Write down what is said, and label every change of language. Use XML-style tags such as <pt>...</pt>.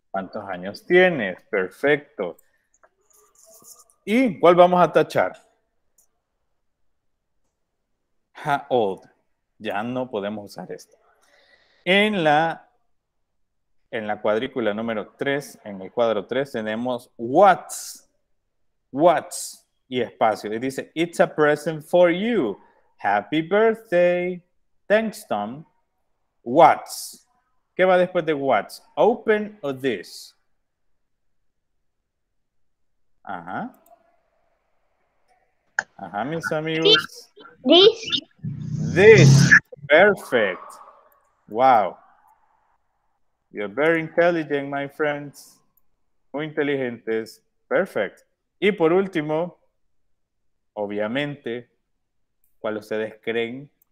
<es>¿Cuántos años tienes? Perfecto. ¿Y cuál vamos a tachar?</es> <en>How old.</en> <es>Ya no podemos usar esto. En la cuadrícula número 3, en el cuadro 3, tenemos what's. What's. Y espacio. Y dice,</es> <en>it's a present for you. Happy birthday. Thanks, Tom. What's.</en> <es>¿Qué va después de what's?</es> <en>Open or this?</en> <es>Ajá. Ajá, mis amigos.</es> <en>This. This. Perfect. Wow. You're very intelligent, my friends.</en> <es>Muy inteligentes. Perfect. Y por último, obviamente, ¿cuál ustedes creen?</es>